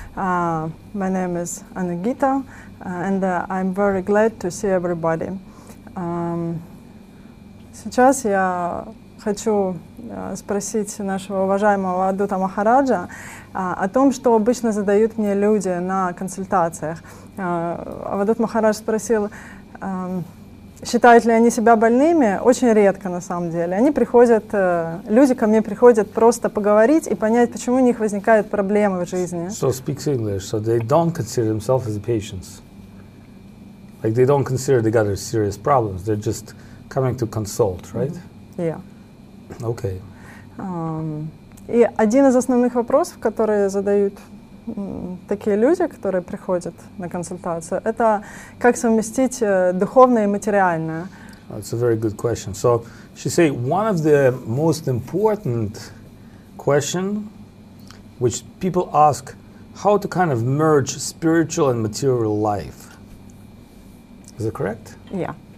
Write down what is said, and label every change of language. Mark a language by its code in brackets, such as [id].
[en] My name is Анугіта, and I'm very glad to see everybody. [ru] Сейчас я хочу спросить нашего уважаемого Адута Махараджа о том, что обычно задают мне люди на консультациях. Адут Махарадж спросил, считают ли они себя больными? Очень редко, на самом деле. Они приходят, люди ко мне приходят просто поговорить и понять, почему у них возникают проблемы в жизни. [en] So speaks English. So they don't consider themselves as patients. Like they don't consider they got serious problems. They're just coming to consult, right? Mm-hmm. Yeah. Okay. [ru] И один из основных вопросов, которые задают такие люди, которые приходят на консультацию, это как совместить духовное и материальное. [en] That's a very good question. So she say one of the most important question, which people ask, how to kind of merge spiritual and material life. Is that correct? Yeah.